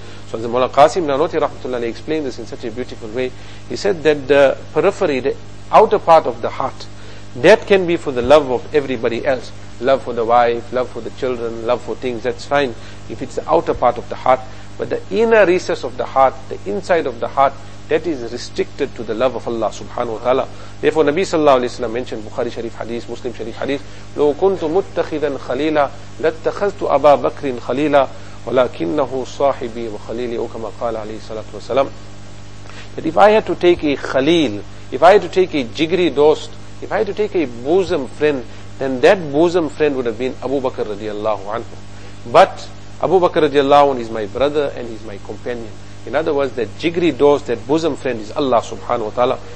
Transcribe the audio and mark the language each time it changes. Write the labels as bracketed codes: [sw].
[en] So as the Mawlana Qasim Nanoti rahmatullahi alayhi explained this in such a beautiful way, he said that the periphery, the outer part of the heart, that can be for the love of everybody else. Love for the wife, love for the children, love for things, that's fine if it's the outer part of the heart. But the inner recess of the heart, the inside of the heart, that is restricted to the love of Allah subhanahu wa ta'ala. Therefore, Nabi sallallahu alayhi wa sallam mentioned Bukhari Sharif hadith, [ar] Muslim Sharif hadith, لو كنت متخذا خليلا لاتخذت أبا بكر خليلا ولكنه صاحبي وخليلي أو كما قال عليه الصلاة والسلام. [en] That if I had to take a khalil, if I had to take a jigri dost, if I had to take a bosom friend, then that bosom friend would have been Abu Bakr radiallahu anhu. But Abu Bakr radiallahu anhu is my brother and he's my companion. In other words, that jigri dost, that bosom friend is Allah subhanahu wa ta'ala.